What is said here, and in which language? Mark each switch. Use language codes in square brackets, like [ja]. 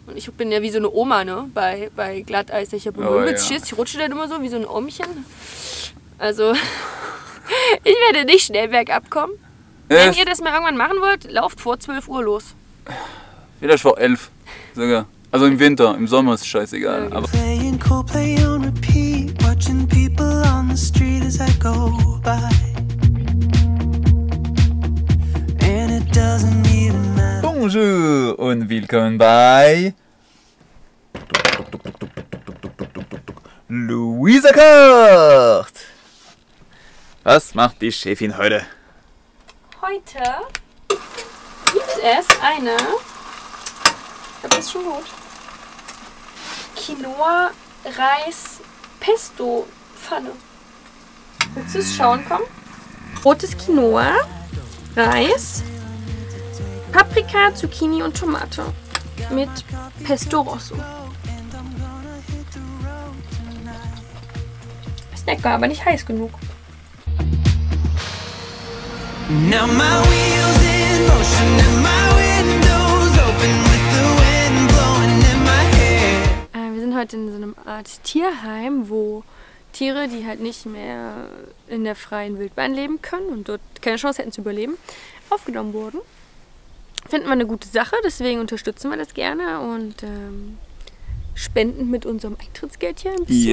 [de] Und ich bin ja wie so eine Oma, ne? Bei Glatteis. Ich habe immer mit Schiss. Ich rutsche dann immer so wie so ein Omchen. Also, ich werde nicht schnell bergab kommen. Wenn ihr das mal irgendwann machen wollt, lauft vor 12 Uhr los. Vielleicht vor 11 sogar. Also im Winter, im Sommer ist es scheißegal. Ja. Aber [en] playing Coldplay on repeat, watching people on the street as I go by. And it doesn't. [de] Bonjour und willkommen bei Luisa Kocht. Was macht die Chefin heute? Heute gibt es eine, ich glaube, das ist schon gut, Quinoa-Reis-Pesto-Pfanne. Willst du es schauen kommen? Rotes Quinoa, Reis, Paprika, Zucchini und Tomate mit Pesto Rosso. Snackbar, aber nicht heiß genug. [en] Now my wheels in motion and my windows open with the wind blowing in my hair. [de] Wir sind heute in so einem Art Tierheim, wo Tiere, die halt nicht mehr in der freien Wildbahn leben können und dort keine Chance hätten zu überleben, aufgenommen wurden. Finden wir eine gute Sache, deswegen unterstützen wir das gerne und spenden mit unserem Eintrittsgeld hier ein bisschen.